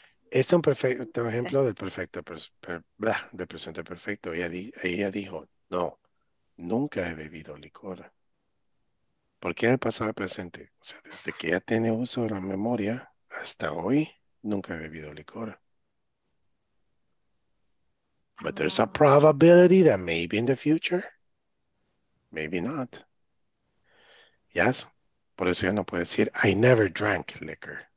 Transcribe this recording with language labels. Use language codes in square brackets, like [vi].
[es] Es un perfecto ejemplo del perfecto del presente perfecto. Ella dijo, no, nunca he bebido licor. ¿Por qué el pasado al presente? O sea, desde que ya tiene uso de la memoria hasta hoy, nunca he bebido licor. [en] But there's a probability that maybe in the future, maybe not. Yes? [es] Por eso ya no puedo decir, [en] I never drank liquor.